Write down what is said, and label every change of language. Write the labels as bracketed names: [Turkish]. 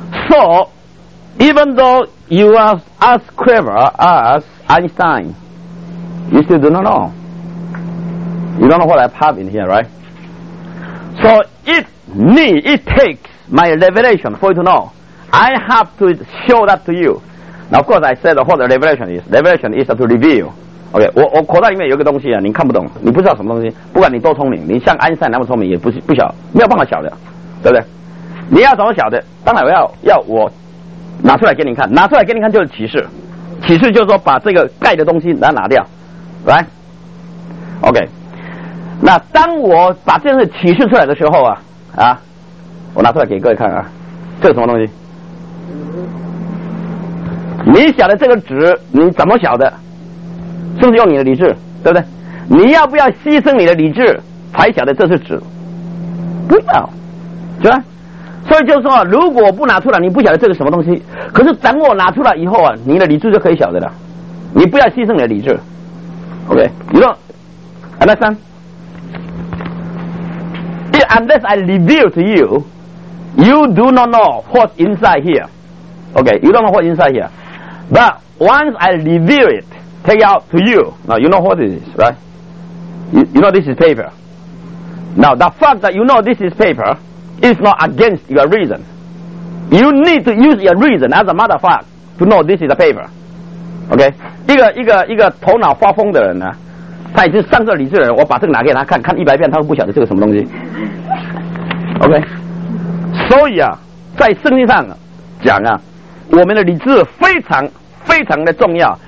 [English] So, even though you are as clever as Einstein, you still do not know. You don't know what I have in here, right? So, it takes my revelation for you to know. I have to show that to you. Now, of course, I said what the revelation is. Revelation is to reveal. [Chinese] OK， 我口袋里面有一个东西啊，你看不懂，你不知道什么东西。不管你多聪明，你像爱因斯坦那么聪明，也不晓，没有办法晓的，对不对？你要怎么晓的？当然要我拿出来给你看，拿出来给你看就是启示，启示就是说把这个盖的东西拿掉，来 ，OK。那当我把这个启示出来的时候啊，我拿出来给各位看啊，这是什么东西？你晓得这个纸，你怎么晓的？是不是用你的理智，对不对？你要不要牺牲你的理智才晓得这是纸？不要，是吧？所以就是说，如果不拿出来，你不晓得这是什么东西。可是等我拿出来以后啊，你的理智就可以晓得了。你不要牺牲你的理智 ，OK？你说 ，understand？ [English] Unless I reveal to you, you do not know what's inside here. OK? You don't know what's inside here. But once I reveal it. Take out to you. Now you know what it is, right? You know this is paper. Now the fact that you know this is paper is not against your reason. You need to use your reason as a matter of fact to know this is a paper. Okay? [Chinese] 一个头脑发疯的人呢，他已经丧失理智的人，我把这个拿给他看，看一百遍，他都不晓得这个什么东西。 [English] Okay? [Chinese] 所以啊，在圣经上讲啊，我们的理智非常非常的重要。